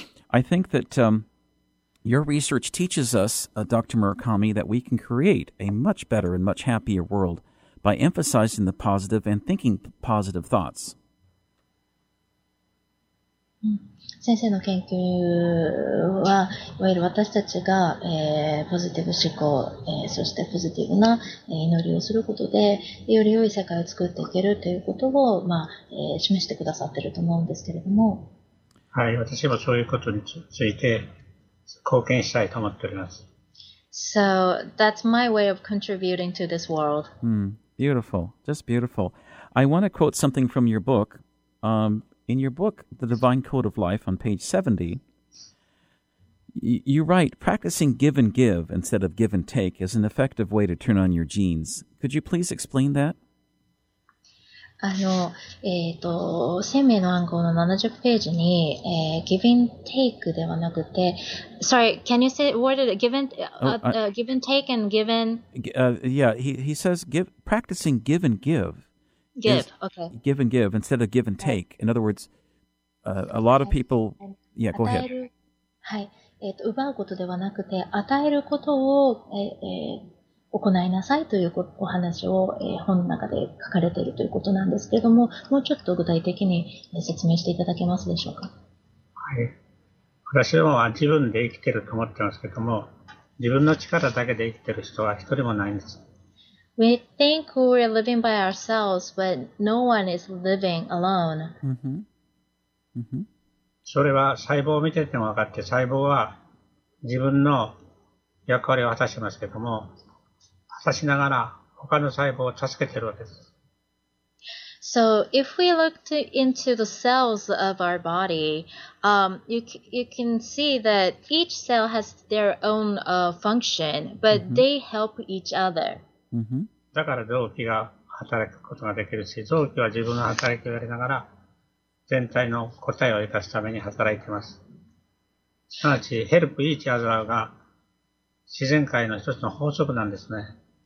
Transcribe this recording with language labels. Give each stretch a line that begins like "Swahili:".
English: I think that your research teaches us, Dr. Murakami, that we can create a much better and much happier world by emphasizing the positive and thinking positive thoughts.
Japanese: 先生の研究は、いわゆる私たちが、ポジティブ思考、そしてポジティブな、祈りをすることで、より良い世界を作っていけるということを、示してくださっていると思うんですけれども。はい、私もそういうことについて貢献したいと思っております。
English: So, that's my way of contributing to this world. Beautiful, just beautiful. I want to quote something from your book. In your book, The Divine Code of Life, on page 70, you write, practicing give and give instead of give and take is an effective way to turn on your genes. Could you please explain that?
Japanese: 生命の暗号の70ページに、give and take ではなくて、
English: sorry, can you say what it, give and take and give and... He says, practicing give and give. Give, okay. Give and give instead of give and take. In other words, a lot of people... Yeah, go ahead.
Japanese: 奪うことではなくて、与えることを行いなさいというお話を本の中で書かれているということなんですけれども、もうちょっと具体的に説明していただけますでしょうか。はい。私どもは自分で生きていると思ってますけれども、自分の力だけで生きている人は一人もないんです。
English: We think we're living by ourselves, but no one is living alone.
Japanese: それは細胞を見てても分かって、細胞は自分の役割を果たしますけども、果たしながら他の細胞を助けてるわけです。
English: So if we look into the cells of our body, you can see that each cell has their own function, but they help each other.
Japanese: だから臓器が働くことができるし、臓器は自分の働きをやりながら全体の答えを生かすために働いています。すなわち、ヘルプイーチアザーが自然界の一つの法則なんですね。